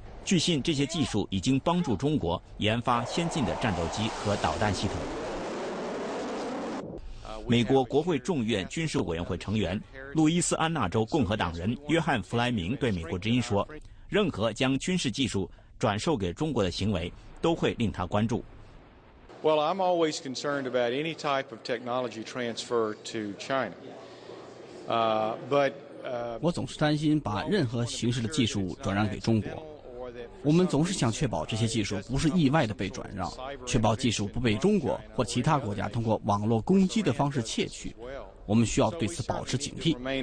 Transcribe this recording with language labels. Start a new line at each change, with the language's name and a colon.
Chinese: 据信，这些技术已经帮助中国研发先进的战斗机和导弹系统。美国国会众议院军事委员会成员、路易斯安那州共和党人约翰·弗莱明对美国之音说，任何将军事技术转售给中国的行为都会令他关注。
English: Well, I'm always concerned about any type of technology transfer to China.
Chinese: 我总是担心把任何形式的技术转让给中国。我们总是想确保这些技术不是意外的被转让，确保技术不被中国或其他国家通过网络攻击的方式窃取。我们需要对此保持警惕。